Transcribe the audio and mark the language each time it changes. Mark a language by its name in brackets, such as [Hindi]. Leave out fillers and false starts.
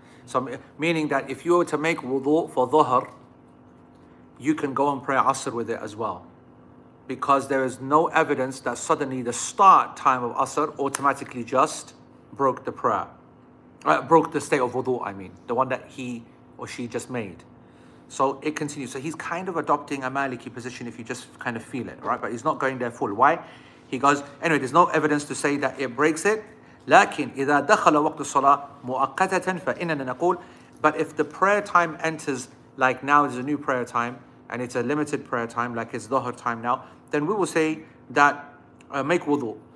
[English] So meaning that if you were to make wudu for dhuhr, you can go and pray asr with it as well, because there is no evidence that suddenly the start time of asr automatically just broke the prayer. Broke the state of wudu, I mean, the one that he or she just made. So it continues. So he's kind of adopting a Maliki position if you just kind of feel it, right? But he's not going there full. Why? He goes, anyway, there's no evidence to say that it breaks it. [Arabic] لكن إذا دخل وقت الصلاة مؤقتة فإننا نقول. [English] But if the prayer time enters, like now is a new prayer time, and it's a limited prayer time, like it's Dhuhr time now, then we will say that make wudu.